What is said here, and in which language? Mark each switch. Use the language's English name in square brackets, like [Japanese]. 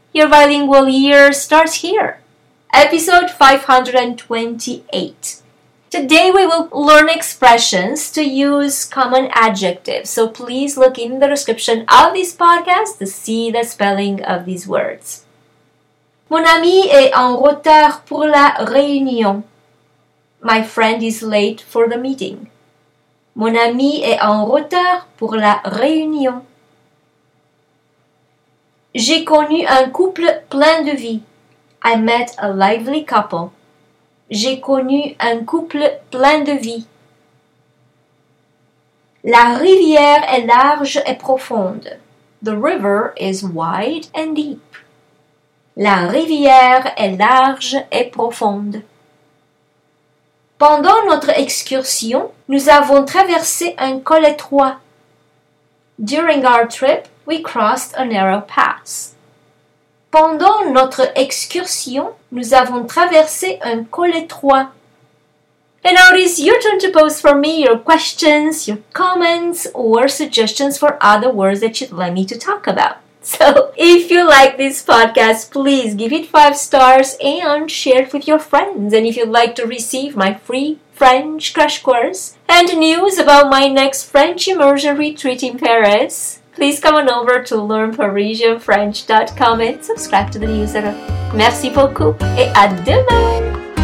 [English] Your bilingual year starts here. Episode 528. Today we will learn expressions to use common adjectives, so please look in the description of this podcast to see the spelling of these words. [French] Mon ami est en retard pour la réunion. [English] My friend is late for the meeting. [French] Mon ami est en retard pour la réunion. J'ai connu un couple plein de vie. [English] I met a lively couple. [French] J'ai connu un couple plein de vie. La rivière est large et profonde. [English] The river is wide and deep. [French] La rivière est large et profonde. Pendant notre excursion, nous avons traversé un col étroit. [English] During our trip, we crossed a narrow pass. [French] Pendant notre excursion, nous avons traversé un col étroit. [English] And now it is your turn to post for me your questions, your comments, or suggestions for other words that you'd like me to talk about. So, if you like this podcast, please give it 5 stars and share it with your friends. And if you'd like to receive my free French crash course and news about my next French immersion retreat in Paris, please come on over to learnparisianfrench.com and subscribe to the newsletter. [French] Merci beaucoup et à demain!